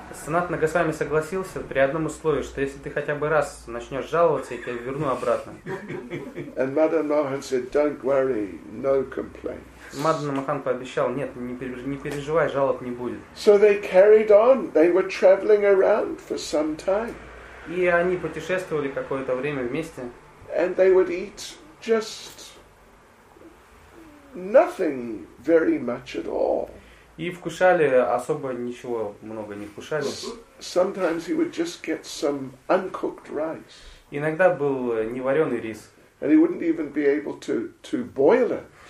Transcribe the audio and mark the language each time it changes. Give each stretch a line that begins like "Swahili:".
Russian: Санатана Госвами согласился при одном условии, что если ты хотя бы раз начнешь жаловаться, я тебя верну обратно.
English: And Мадан Мохан said, "Don't worry, no complaints."
Russian: Мадан Мохан пообещал, нет, не переживай, жалоб не будет.
English: So they carried on. They were traveling around for some time.
Russian: И они путешествовали какое-то время вместе.
English: And they would eat just nothing very much at all.
Russian: И вкушали особо ничего, много не вкушали.
English: Sometimes he would just get some uncooked rice.
Russian: Иногда был неваренный рис.
English: And he wouldn't even be able to boil it.